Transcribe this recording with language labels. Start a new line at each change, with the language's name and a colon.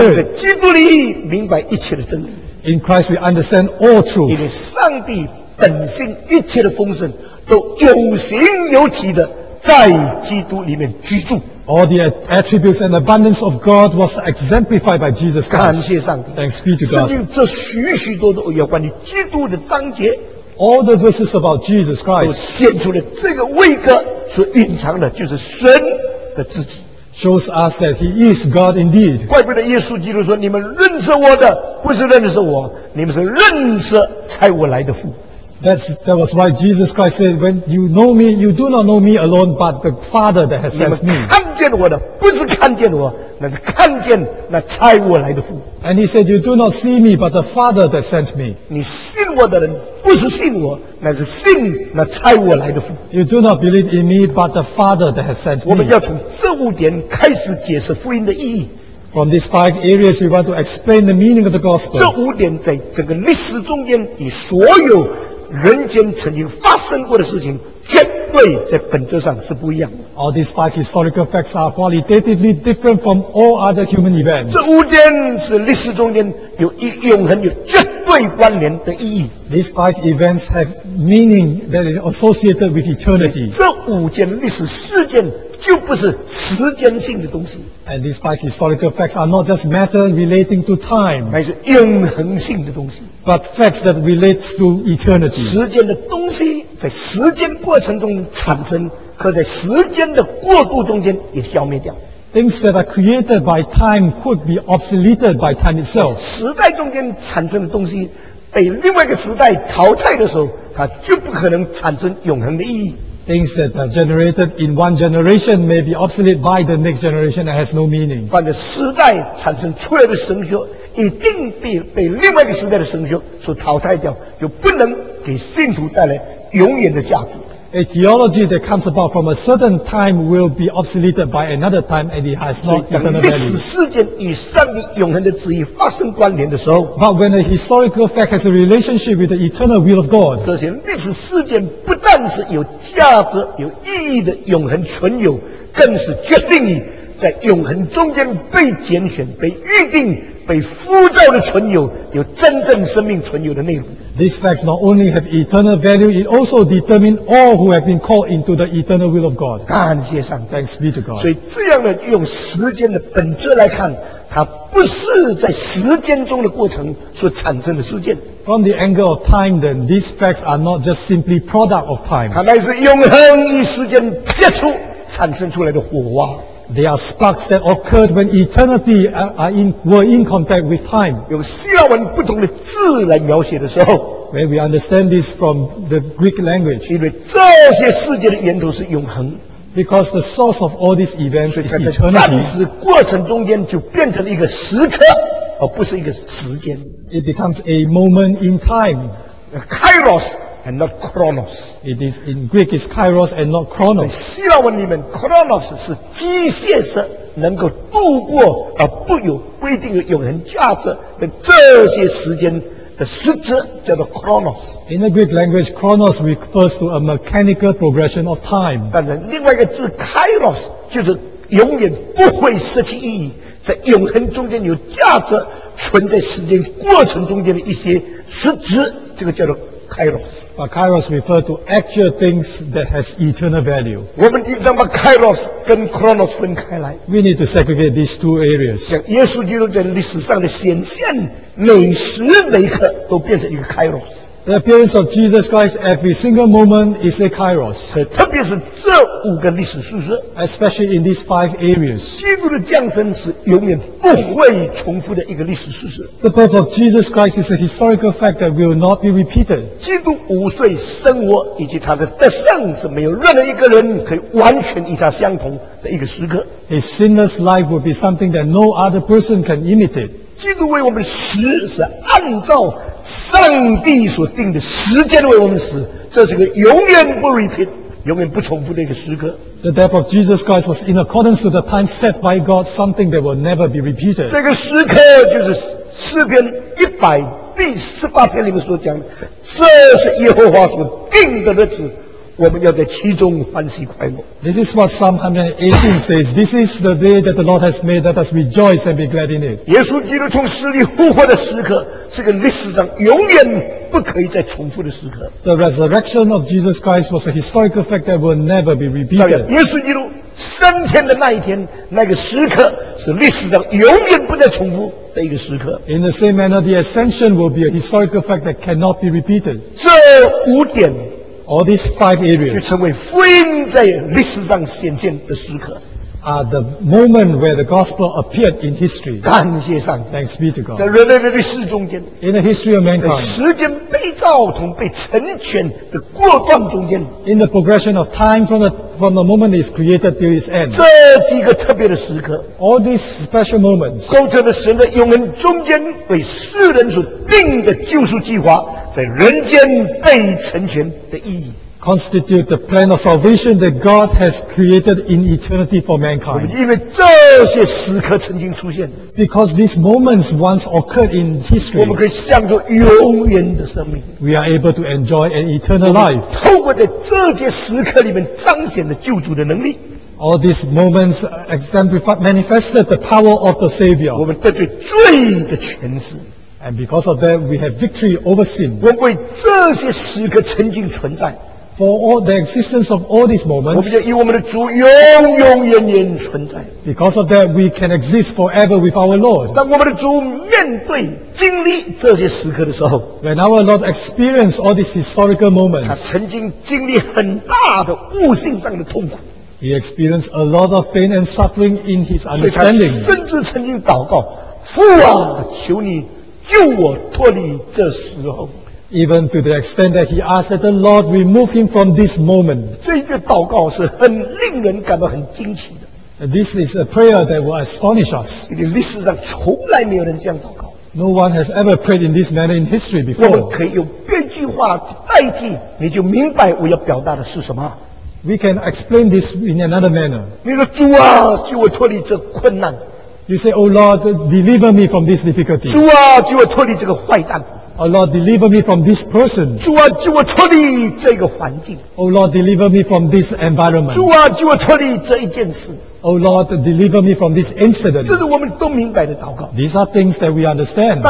Chinese: 我们在基督里明白一切的真理。
English: In Christ, we understand all truth.
Chinese: 因为上帝本性一切的丰盛都有形有体的在基督里面居住。
English: All the attributes and abundance of God was exemplified by Jesus Christ.
Chinese: 感谢上帝。
English: Thanks be to God.
Chinese: 圣经这许许多多有关于基督的章节。
English: All the verses about Jesus Christ.
Chinese: 都显出了这个位格所隐藏的就是神的自己。
English: Shows us that he is God indeed.
Chinese: 怪不得耶稣基督说你们认识我的不是认识我你们是认识差我来的父。
English: That was why Jesus Christ said, when you know me, you do not know me alone, but the Father that has sent me.
Chinese: 看见我的不是看见我那是看见那差我来的父。
English: And he said, you do not see me, but the Father that sent me.
Chinese: 你信我的人不是信我乃是信那差我来的父。
English: You do not believe in me, but the Father that has sent me.
Chinese: 我们要从这五点开始解释福音的意义。
English: From these five areas, we want to explain the meaning of the gospel.
Chinese: 这五点在整个历史中间以所有人间曾经发生过的事情绝对在本质上是不一样的。
English: All these five historical facts are qualitatively different from all other human events.
Chinese: 这五点是历史中间有一永恒有绝对关联的意义。
English: These five events have meaning that is associated with eternity.
Chinese: 这五件历史事件就不是时间性的东西。
English: And these five historical facts are not just matter relating to time.
Chinese: 乃是永恒性的东西。
English: But facts that relate to eternity.
Chinese: 时间的东西在时间过程中产生，可在时间的过渡中间也消灭掉。
English: Things that are created by time could be obsoleted by time itself.
Chinese: 时代中间产生的东西被另外一个时代淘汰的时候，它就不可能产生永恒的意义。
English: Things that are generated in one generation may be obsolete by the next generation and has no meaning.
Chinese: 反正时代产生出来的神学一定被另外一个时代的神学所淘汰掉，就不能给信徒带来永远的价值。
English: A theology that comes about from a certain time will be obsoleted by another time and it has not eternal value.
Chinese: 历史事件与上帝永恒的旨意发生关联的时候，
English: But when a historical fact has a relationship with the eternal will of God,
Chinese: 这些历史事件不但是有价值、有意义的永恒存有，更是决定于在永恒中间被拣选、被预定、被呼召的存有，有真正生命存有的内容。
English: These facts not only have eternal value, it also determines all who have been called into the eternal will of God.
Chinese: 感谢上帝。
English: Thanks be to God.
Chinese: 所以这样的用时间的本质来看，它不是在时间中的过程所产生的事件。
English: From the angle of time, then, these facts are not just simply product of time.
Chinese: 它乃是永恒与时间接触产生出来的火花。
English: They are sparks that occurred when eternity were in contact with time.
Chinese: 用希腊文不同的字来描写的时候，
English: when we understand this from the Greek language,
Chinese: 因为这些世界的源头是永恒，
English: because the source of all these events is eternity.
Chinese: 暂时过程中间就变成了一个时刻，而不是一个时间。
English: It becomes a moment in time. Kairos. And not Chronos. It is in Greek, it's Kairos and not Chronos.
Chinese: 在希腊文里面 ，Chronos 是机械式，能够度过而不有不一定有永恒价值的这些时间的实质叫做 Chronos.
English: In the Greek language, Chronos refers to a mechanical progression of time.
Chinese: 但是另外一个字 Kairos 就是永远不会失去意义，在永恒中间有价值，存在时间过程中间的一些实质，这个叫做。
English: Kairos. But Kairos refer to actual things that has eternal value.
Chinese: 我们应当把 Kairos 跟 Chronos 分开来。
English: We need to segregate these two areas.
Chinese: 像耶稣基督在历史上的显现，每时每刻都变成一个 Kairos.
English: The appearance of Jesus Christ every single moment is a Kairos.
Chinese: 特别是这五个历史事实。
English: Especially in these five areas.
Chinese: 基督的降生是永远不会重复的一个历史事实。
English: The birth of Jesus Christ is a historical fact that will not be repeated.
Chinese: 基督五岁生活以及他的得胜是没有任何一个人可以完全与他相同的一个时刻。
English: His sinless life will be something that no other person can imitate.
Chinese: 基督为我们死是按照上帝所定的时间为我们死，这是个永远不
English: repeat
Chinese: 永远不重复的一个时刻。
English: The death of Jesus Christ was in accordance to the time set by God, something that will never be repeated.
Chinese: 这个时刻就是诗篇一百第十八篇里面所讲的，这是耶和华所定的日子，我们要在其中欢喜快乐。
English: This is what Psalm 118 says. This is the day that the Lord has made. Let us rejoice and be glad in it.
Chinese: 耶稣基督从死里复活的时刻是个历史上永远不可以再重复的时刻。
English: The resurrection of Jesus Christ was a historical fact that will never be repeated.
Chinese: 耶稣基督升天的那一天，那个时刻是历史上永远不再重复的一个时刻。
English: In the same manner, the ascension will be a historical fact that cannot be repeated.
Chinese: 这五点
English: All these five areas
Chinese: 就成为福音在历史上显现的时刻
English: are the moment where the gospel appeared in history.
Chinese: 感谢上帝。
English: Thanks be to God.
Chinese: 在人类的历史中间
English: in the history of mankind,
Chinese: 在时间被造同被成全的过段中间
English: in the progression of time from the moment it's created till its end,
Chinese: 这几个特别的时刻
English: all these special moments
Chinese: 构成了神的永恒中间为世人所定的救赎计划在人间被成全的意义
English: constitute the plan of salvation that God has created in eternity for mankind.
Chinese: 因为这些时刻曾经出现
English: because these moments once occurred in history,
Chinese: 我们可以享受永远的生命
English: we are able to enjoy an eternal life.
Chinese: 透过在这些时刻里面彰显了救主的能力
English: all these moments manifested the power of the Savior.
Chinese: 我们得罪罪的权势
English: And because of that, we have victory over sin.
Chinese: 我们为这些时刻曾经存在
English: for all the existence of all these moments.
Chinese: 我们就以我们的主永永远远存在。
English: Because of that, we can exist forever with our Lord.
Chinese: 当我们的主面对、经历这些时刻的时候
English: ，When our Lord experienced all these historical moments,
Chinese: 他曾经经历很大的悟性上的痛苦。
English: He experienced a lot of pain and suffering in his understanding.
Chinese: 所以他甚至曾经祷告，父啊，求你救我脱离这时候。
English: Even to the extent that he asked that the Lord remove him from this moment.
Chinese: 这个祷告是很令人感到很惊奇的。
English: This is a prayer that will astonish us.
Chinese: 因为历史上从来没有人这样祷告。
English: No one has ever prayed in this manner in history before.
Chinese: 我们可以用别句话代替，你就明白我要表达的是什么。
English: We can explain this in another manner.
Chinese: 你说主啊，救我脱离这困难。
English: You say, Oh Lord, deliver me from this difficulty.
Chinese: 主啊，救我脱离这个坏蛋。
English: Oh Lord, deliver me from this person.
Chinese: 主啊，救我脱离这个环境。
English: Oh Lord, deliver me from this environment.
Chinese: 主啊，救我脱离这一件事。
English: Oh Lord, deliver me from this incident.
Chinese: 这是我们都明白的祷告。
English: These are things that we understand.